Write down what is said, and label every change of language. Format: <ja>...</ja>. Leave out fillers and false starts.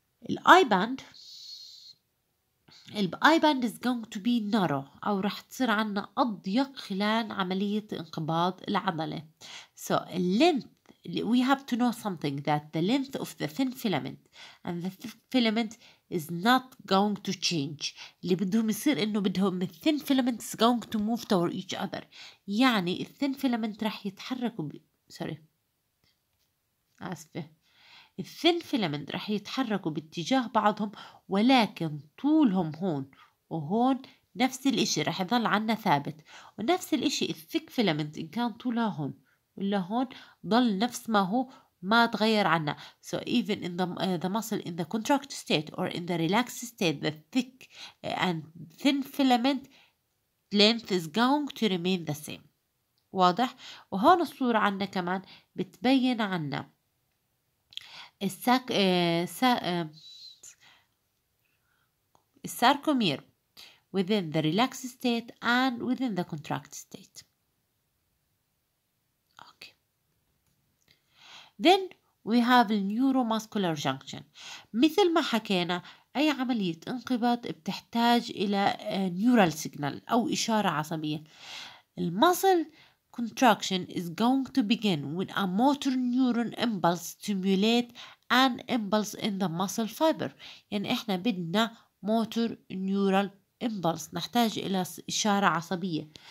<ar>الاي باند الاي باند</ar> <en>is going to be narrow</en> <ar>او راح تصير عنا اضيق خلال عملية انقباض العضلة.</ar> <en>So length we have to know something that the length of the thin filament and the thick filament is not going to change.</en> <ar>اللي بدهم يصير إنه بدهم</ar> <en>the thin filaments going to move toward each other.</en> <ar>يعني the thin filament راح يتحركوا the thin filament راح يتحركوا باتجاه بعضهم ولكن طولهم هون وهون نفس الإشي راح يظل عنا ثابت ونفس الإشي the thick filament إن كان طولها هون ولا هون ظل نفس ما هو ما تغير عنا.</ar> <en>So even in the muscle in the contract state or in the relaxed state, the thick and thin filament length is going to remain the same.</en> <ar>واضح؟ وهون الصورة عنا كمان بتبين عنا الساركومير</ar> <en>within the relaxed state and within the contract state. Then we have the neuromuscular junction.</en> <ar>مثل ما حكينا أي عملية انقباض بتحتاج إلى neural signal أو إشارة عصبية.</ar> <en>Muscle contraction is going to begin with a motor neuron impulse stimulate an impulse in the muscle fiber.</en> <ar>يعني إحنا بدنا motor neural impulse نحتاج إلى إشارة عصبية.</ar>